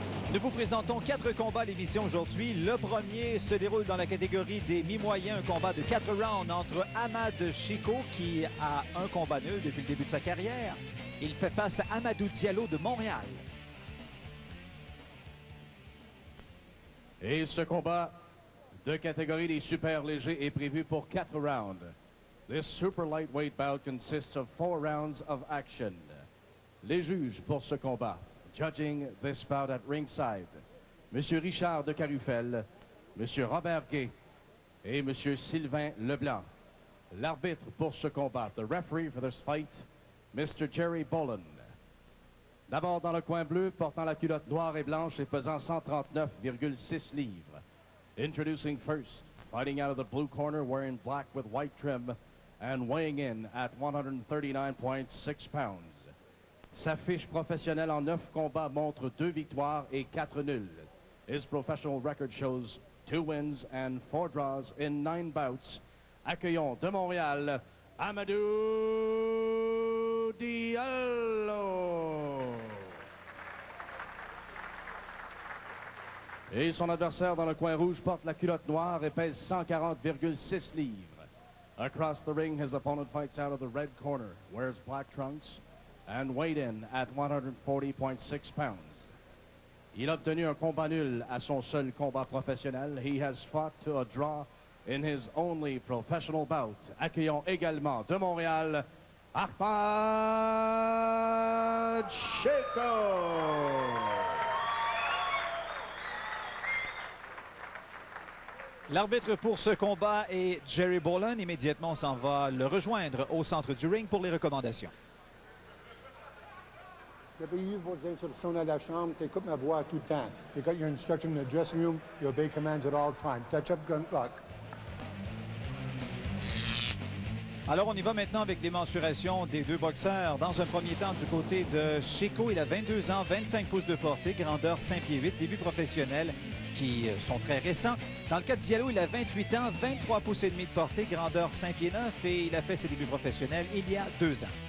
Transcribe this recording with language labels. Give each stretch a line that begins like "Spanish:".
French: Nous vous présentons quatre combats à l'émission aujourd'hui. Le premier se déroule dans la catégorie des mi-moyens, un combat de quatre rounds entre Ahmad Chico, qui a un combat nul depuis le début de sa carrière. Il fait face à Amadou Diallo de Montréal. Et ce combat de catégorie des super légers est prévu pour quatre rounds.
English: This super lightweight bout consists of four rounds of action.
French: Les juges pour ce combat.
English: Judging this bout at ringside,
French: Monsieur Richard de Carufel, Monsieur Robert Gay et Monsieur Sylvain Leblanc. L'arbitre pour ce combat,
English: the referee for this fight, Mr. Jerry Bolin.
French: D'abord dans le coin bleu, portant la culotte noire et blanche et pesant 139,6 livres.
English: Introducing first, fighting out of the blue corner, wearing black with white trim and weighing in at 139.6 pounds.
French: Sa fiche professionnelle en 9 combats montre 2 victoires et 4 nuls.
English: His professional record shows 2 wins and 4 draws in 9 bouts.
French: Accueillons de Montréal, Amadou Diallo. Et son adversaire dans le coin rouge porte la culotte noire et pèse 140,6 livres.
English: Across the ring, his opponent fights out of the red corner, wears black trunks, and weighed in at 140.6 pounds.
French: Il a obtenu un combat nul à son seul combat professionnel.
English: He has fought to a draw in his only professional bout.
French: Accueillons également de Montréal, Ahmad Chico. L'arbitre pour ce combat est Jerry Bolin. Immédiatement, on s'en va le rejoindre au centre du ring pour les recommandations. J'avais eu vos instructions à la chambre, t'écoutes ma voix tout le temps.
English: You got your instructions in the dressing room, you obey commands at all times. Touch up, good luck.
French: Alors, on y va maintenant avec les mensurations des deux boxeurs. Dans un premier temps, du côté de Chico, il a 22 ans, 25 pouces de portée, grandeur 5 pieds 8, débuts professionnels qui sont très récents. Dans le cas de Diallo, il a 28 ans, 23 pouces et demi de portée, grandeur 5 pieds 9, et il a fait ses débuts professionnels il y a 2 ans.